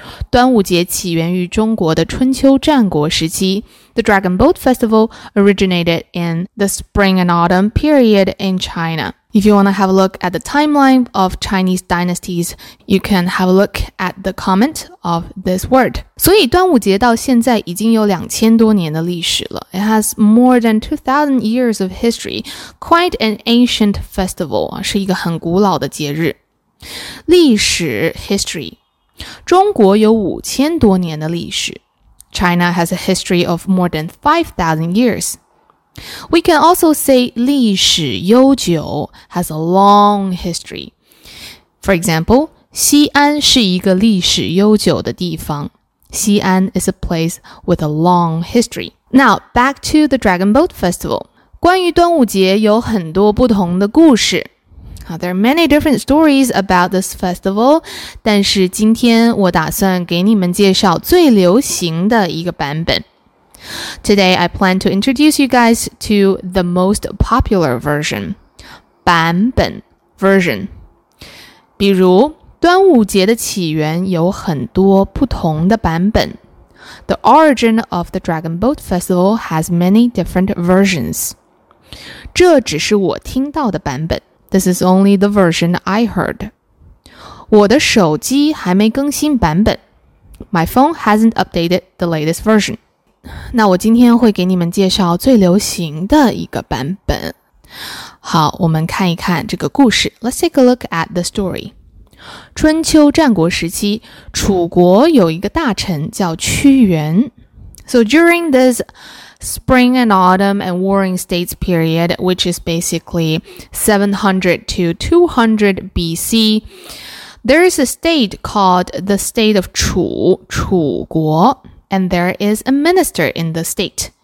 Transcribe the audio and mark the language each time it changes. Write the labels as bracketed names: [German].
[Chinese] 端午节起源于中国的春秋战国时期, [English] the Dragon Boat Festival originated in the Spring and Autumn period in China. If you want to have a look at the timeline of Chinese dynasties, you can have a look at the comment of this word. [Chinese] 所以端午节到现在已经有2000多年的历史了. [English] It has more than 2000 years of history. Quite an ancient festival, [Chinese] 是一个很古老的节日. 历史, history. 中国有5000多年的历史. [English] China has a history of more than 5,000 years. We can also say 历史悠久, has a long history. For example, [Chinese] 西安是一个历史悠久的地方. [English] 西安 is a place with a long history. Now, back to the Dragon Boat Festival. [Chinese] 关于端午节有很多不同的故事. [English] There are many different stories about this festival, [Chinese] 但是今天我打算给你们介绍最流行的一个版本。 [English] Today, I plan to introduce you guys to the most popular version, 版本 version. [Chinese] 比如端午节的起源有很多不同的版本。 [English] The origin of the Dragon Boat Festival has many different versions. [Chinese] 这只是我听到的版本。 [English] This is only the version I heard. [Chinese] 我的手机还没更新版本。 [English] My phone hasn't updated the latest version. [Chinese] 那我今天会给你们介绍最流行的一个版本。好，我们看一看这个故事。 [English] Let's take a look at the story. [Chinese] 春秋战国时期，楚国有一个大臣叫屈原。 [English] So during this spring and autumn and warring states period, which is basically 700 to 200 BC, there is a state called the state of 楚, 楚国, and there is a minister in the state.